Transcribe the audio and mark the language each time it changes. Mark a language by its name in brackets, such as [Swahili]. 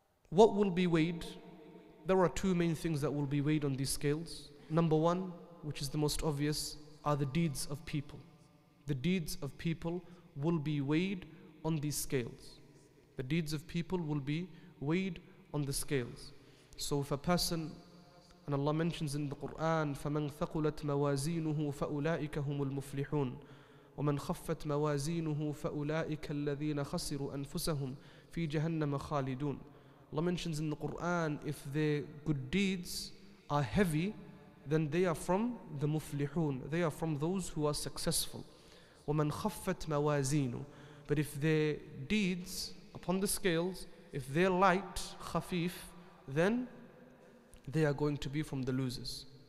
[English] What will be weighed? There are two main things that will be weighed on these scales. Number one, which is the most obvious, are the deeds of people. The deeds of people will be weighed on these scales. The deeds of people will be weighed on the scales. So if a person, and Allah mentions in the Quran, [Arabic] فَمَنْ ثَقُلَتْ مَوَازِينُهُ فَأُولَٰئِكَ هُمُ الْمُفْلِحُونَ وَمَنْ خَفَّتْ مَوَازِينُهُ فَأُولَٰئِكَ الَّذِينَ خَسِرُوا أَنفُسَهُمْ فِي جَهَنَّمَ خَالِدُونَ. [English] Allah mentions in the Quran, if their good deeds are heavy, then they are from the muflihun. They are from those who are successful. [Arabic] وَمَنْ خَفَّتْ مَوَازِينُ. [English] But if their deeds upon the scales, if they're light, khafif, then they are going to be from the losers.